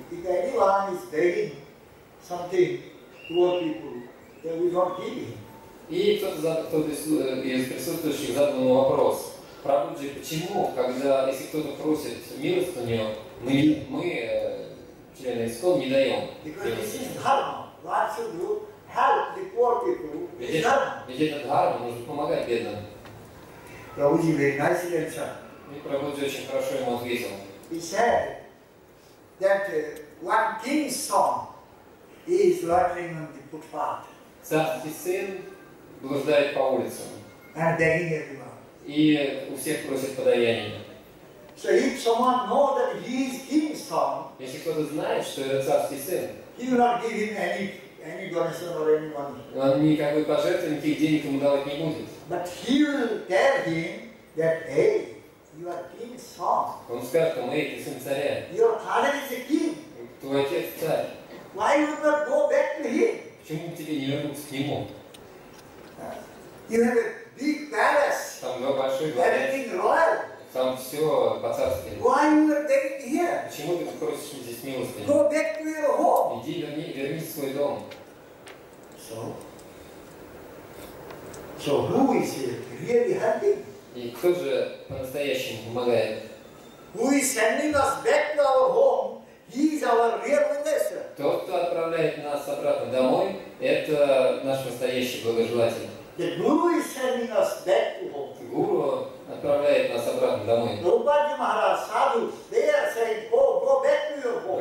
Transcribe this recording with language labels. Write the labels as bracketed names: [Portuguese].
[English] If anyone is begging something to our people, then we don't give him. [Russian] И кто-то из присутствующих задал ему вопрос. Прабхуджи, почему, когда, если кто-то просит милость у него, мы члены ИСКОН, не даем? [English] Because this is dharma. What should you help the poor people? [Russian] Ведь это dharma, нужно помогать бедным. [English] Прабхуджи very nicely answered. [Russian] И Прабхуджи очень хорошо ему ответил. [English] He said that one king's son is loitering on the footpath. [Russian] Царский сын блуждает по улицам. [English] And begging everyone. [Russian] И у всех просит подаяния. [English] So if someone knows that he is king's son, [Russian] если кто-то знает, что это царский сын, [English] he will not give him any donation or any money. [Russian] Он никакой пожертвования, никаких денег ему давать не будет. [English] But he will tell him that, hey, you are king's son. [Russian] Он скажет ему, эй, ты сын царя. [English] Your father is a king. [Russian] Твой отец царь. [English] Why you not go back to him? [Russian] Почему тебе не вернуться к нему? [English] You have a big palace. [Russian] Там много большой дворец. [English] Everything royal. [Russian] Там все по-царски. [English] Why you not take it here? [Russian] Почему ты просишь здесь милости? [English] Go back to your home. [Russian] Иди, вернись в свой дом. [English] So who is here really helping? [Russian] И кто же по-настоящему помогает? [English] Who is sending us back to our home? He is our real minister. [Russian] Тот, кто отправляет нас обратно домой, это наш настоящий благожелатель. [English] The guru is sending us back to home. [Russian] Гуру отправляет нас обратно домой. [English] Prabhupada Maharaj, Sadhu, they are saying, go back to your home.